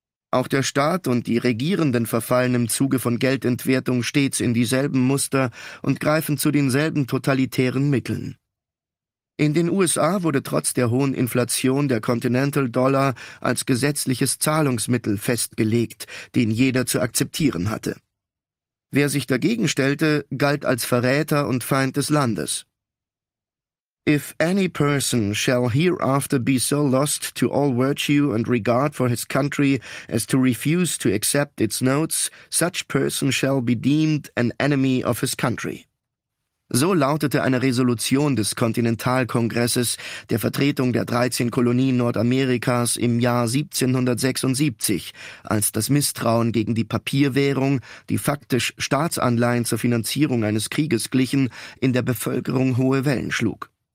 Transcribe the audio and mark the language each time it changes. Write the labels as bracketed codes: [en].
[de] Auch der Staat und die Regierenden verfallen im Zuge von Geldentwertung stets in dieselben Muster und greifen zu denselben totalitären Mitteln. In den USA wurde trotz der hohen Inflation der Continental Dollar als gesetzliches Zahlungsmittel festgelegt, den jeder zu akzeptieren hatte. Wer sich dagegen stellte, galt als Verräter und Feind des Landes. [en] If any person shall hereafter be so lost to all virtue and regard for his country as to refuse to accept its notes, such person shall be deemed an enemy of his country. [de] So lautete eine Resolution des Kontinentalkongresses, der Vertretung der 13 Kolonien Nordamerikas im Jahr 1776, als das Misstrauen gegen die Papierwährung, die faktisch Staatsanleihen zur Finanzierung eines Krieges glichen, in der Bevölkerung hohe Wellen schlug.